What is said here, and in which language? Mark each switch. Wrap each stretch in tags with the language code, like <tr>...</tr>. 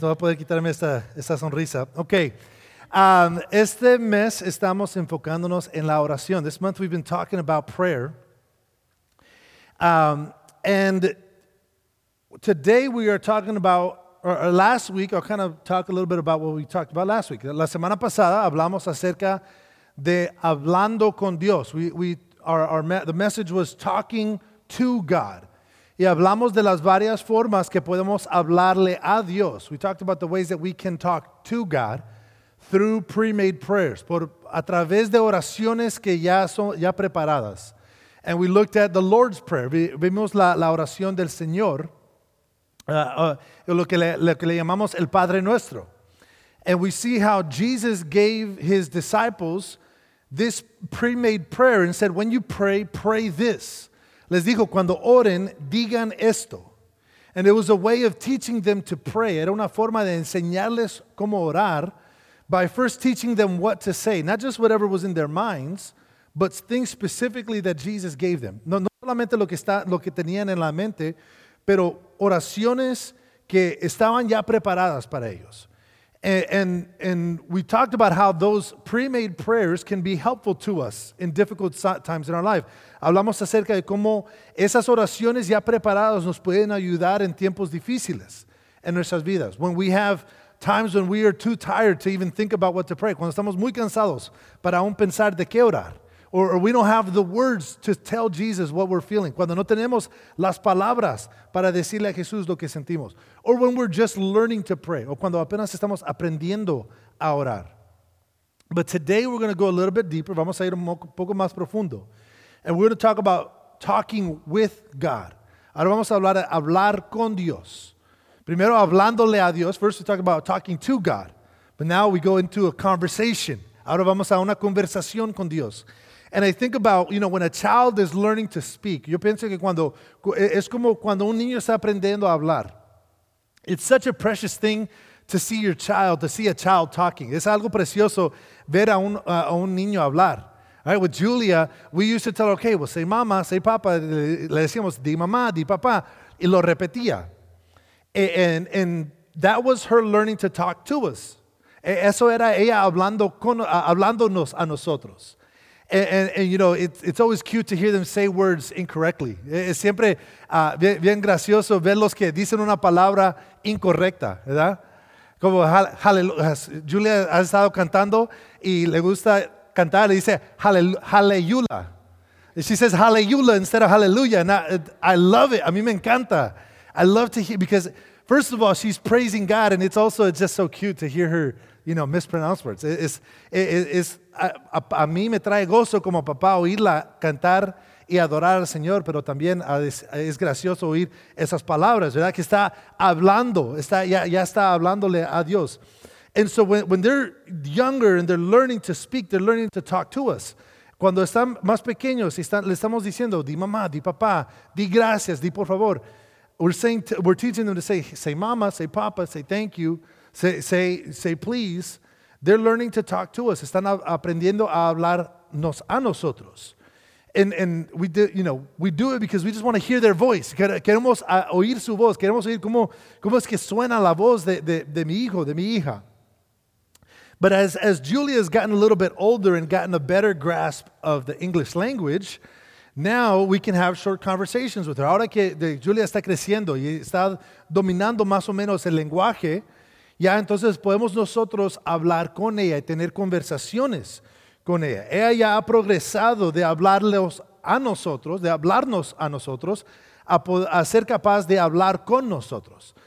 <es>No voy a poder quitarme esta sonrisa. Okay. Este mes estamos enfocándonos en la oración.</es> <en>This month we've been talking about prayer. And today we are talking about, or last week, I'll kind of talk a little bit about what we talked about last week.</en> <es>La semana pasada hablamos acerca de hablando con Dios.</es> <en>The message was talking to God.</en> <es>Y hablamos de las varias formas que podemos hablarle a Dios.</es> <en>We talked about the ways that we can talk to God. Through pre-made prayers,</en> <es>a través de oraciones que ya son ya preparadas.</es> <en>And we looked at the Lord's Prayer.</en> <es>Vimos la oración del Señor, lo que le llamamos el Padre Nuestro.</es> <en>And we see how Jesus gave his disciples this pre-made prayer and said, when you pray, pray this.</en> <es>Les dijo, cuando oren, digan esto.</es> <en>And it was a way of teaching them to pray.</en> <es>Era una forma de enseñarles cómo orar.</es> <en>By first teaching them what to say, not just whatever was in their minds, but things specifically that Jesus gave them.</en> <es>No solamente lo que tenían en la mente, pero oraciones que estaban ya preparadas para ellos.</es> <en>And we talked about how those pre-made prayers can be helpful to us in difficult times in our life.</en> <es>Hablamos acerca de cómo esas oraciones ya preparadas nos pueden ayudar en tiempos difíciles en nuestras vidas.</es> <en>When we have times when we are too tired to even think about what to pray.</en> <es>Cuando estamos muy cansados para aún pensar de qué orar.</es> <en>Or we don't have the words to tell Jesus what we're feeling.</en> <es>Cuando no tenemos las palabras para decirle a Jesús lo que sentimos.</es> <en>Or when we're just learning to pray.</en> <es>O cuando apenas estamos aprendiendo a orar.</es> <en>But today we're going to go a little bit deeper.</en> <es>Vamos a ir un poco más profundo.</es> <en>And we're going to talk about talking with God.</en> <es>Ahora vamos a hablar con Dios. Primero, hablándole a Dios.</es> <en>First, we talk about talking to God. But now we go into a conversation.</en> <es>Ahora vamos a una conversación con Dios.</es> <en>And I think about, you know, when a child is learning to speak.</en> <es>Yo pienso que cuando, es como cuando un niño está aprendiendo a hablar.</es> <en>It's such a precious thing to see your child, to see a child talking.</en> <es>Es algo precioso ver a un niño hablar.</es> <en>All right, with Julia, we used to tell her, okay, well, say mama, say papa.</en> <es>Le decíamos, di mamá, di papá. Y lo repetía.</es> <en>And that was her learning to talk to us.</en> <es>Eso era ella hablándonos a nosotros.</es> <en>And you know, it's always cute to hear them say words incorrectly.</en> <es>Es siempre bien gracioso verlos que dicen una palabra incorrecta, ¿verdad? Como hallelujah. Julia ha estado cantando y le gusta cantar. Le dice hallelujah.</es> <en>She says hallelujah instead of hallelujah. And I love it.</en> <es>A mí me encanta.</es> <en>I love to hear, because first of all, she's praising God, and it's just so cute to hear her, you know, mispronounce words.</en> <es>A mí me trae gozo como papá oírla cantar y adorar al Señor, pero también es gracioso oír esas palabras, ¿verdad? Que está hablando, ya está hablándole a Dios.</es> <en>And so when they're younger and they're learning to speak, they're learning to talk to us.</en> <es>Cuando están más pequeños, le estamos diciendo, di mamá, di papá, di gracias, di por favor.</es> <en>We're teaching them to say mama, say papa, say thank you, say please. They're learning to talk to us.</en> <es>Están aprendiendo a hablarnos a nosotros.</es> <en>And we do, you know, we do it because we just want to hear their voice.</en> <es>Queremos oír su voz. Queremos oír cómo es que suena la voz de mi hijo, de mi hija.</es> <en>But as Julia has gotten a little bit older and gotten a better grasp of the English language, now we can have short conversations with her.</en> <es>Ahora que Julia está creciendo y está dominando más o menos el lenguaje, ya entonces podemos nosotros hablar con ella y tener conversaciones con ella. Ella ya ha progresado de hablarles a nosotros, de hablarnos a nosotros, a ser capaz de hablar con nosotros.</es>